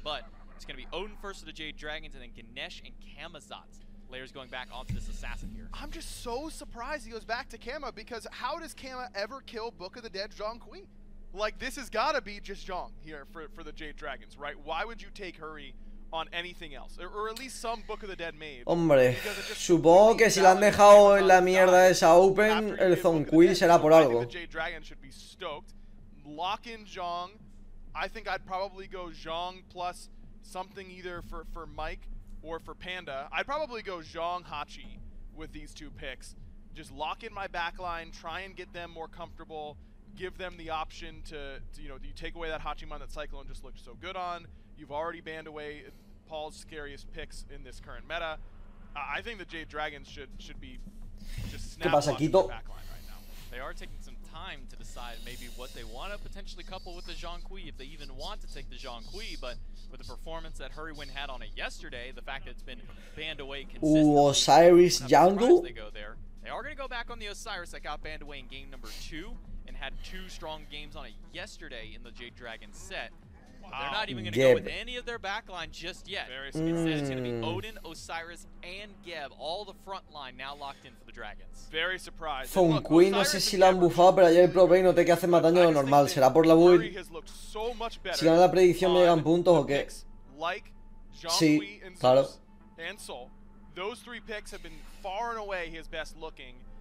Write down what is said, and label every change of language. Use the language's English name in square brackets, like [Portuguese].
[English] But it's going to be Odin first for the Jade Dragons, and then Ganesh and Kamazot. Layers going back onto this assassin here. I'm just so surprised he goes back to Kama, because how does Kama ever kill Book of the Dead Jean-Cui? Like, this has got to be just Zhong here for the Jade Dragons, right? Why would you take Hurry on anything else? Or at least some Book of the Dead Mage. [Spanish] Hombre, supongo que si lo han dejado en la mierda esa open, el Zhongkui será por algo. [English] I think the Jade Dragons should be stoked. Lock in Zhong. I think I'd probably go Zhong plus something either for Mike or for Panda. I'd probably go Zhong Hachi with these two picks. Just lock in my backline, try and get them more comfortable. Give them the option to you know, you take away that Hachiman that Cyclone just looked so good on. You've already banned away Paul's scariest picks in this current meta. I think the Jade Dragons should be just snapping the backline right now. They are taking some time to decide maybe what they want to potentially couple with the Jean-Cui, if they even want to take the Jean-Cui, but with the performance that Hurrywind had on it yesterday, the fact that it's been banned away consistently. Ooh, Osiris Jungle? They go there. They are going to go back on the Osiris that got banned away in game number two. And had two strong games on it yesterday in the Jade Dragon set. They're not even going to go with any of their backline just yet. Instead, it's going to be Odin, Osiris, and Geb, all the front line now locked in for the Dragons. Very surprised. [Spanish] Zhongkui, no sé si la han buffado, pero ayer probé y noté que hace más daño de lo normal. ¿Será por la build? Si gana la predicción, me llegan puntos o qué. Sí, claro. [English] Ansel, those three picks have been far and away his best looking.